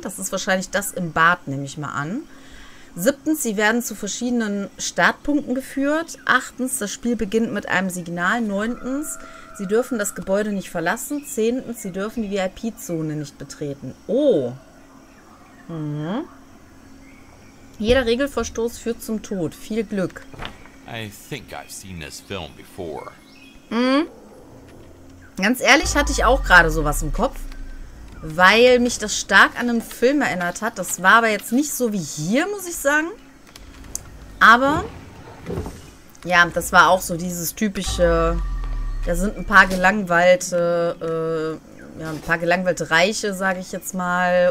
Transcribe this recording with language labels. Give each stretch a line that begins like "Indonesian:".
German: Das ist wahrscheinlich das im Bad, nehme ich mal an. Siebtens, sie werden zu verschiedenen Startpunkten geführt. Achtens, das Spiel beginnt mit einem Signal. Neuntens, sie dürfen das Gebäude nicht verlassen. Zehntens, sie dürfen die VIP-Zone nicht betreten. Oh. Mhm. Jeder Regelverstoß führt zum Tod. Viel Glück.
English: I think I've seen this film before. Mhm.
German: Ganz ehrlich, hatte ich auch gerade sowas im Kopf. Weil mich das stark an einen Film erinnert hat. Das war aber jetzt nicht so wie hier, muss ich sagen. Aber, ja, das war auch so dieses typische, da sind ein paar gelangweilte, Reiche, sage ich jetzt mal.